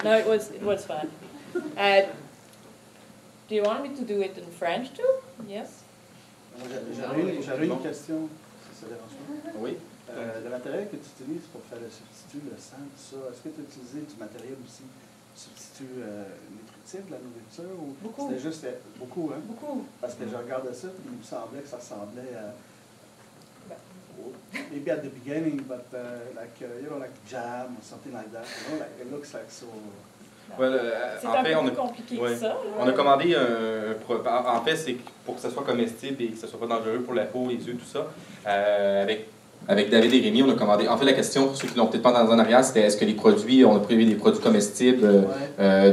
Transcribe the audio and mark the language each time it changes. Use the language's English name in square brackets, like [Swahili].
[English] No, it was fun. Do you want me to do it in French too? Yes. [French] J'avais une question. Oui. Le matériel que tu utilises pour faire le substitut, le sang, tout ça, est-ce que tu as utilisé du matériel aussi, substitut nutritif de la nourriture? Ou beaucoup. C'était juste beaucoup, hein? Beaucoup. Parce que je regardais ça, puis il me semblait que ça ressemblait à. [English] Maybe at the beginning, but like jam or something like that. You know, like, it looks like so. Well, [French] c'est en fait, un peu compliqué ouais, que ça. Ouais. On a commandé en fait, c'est pour que ça soit comestible et que ça soit pas dangereux pour la peau, les yeux, tout ça. Avec David et Rémy, on a commandé. En fait, la question, pour ceux qui l'ont peut-être pas entendu en arrière, c'était est-ce que les produits, on a prévu des produits comestibles, ouais.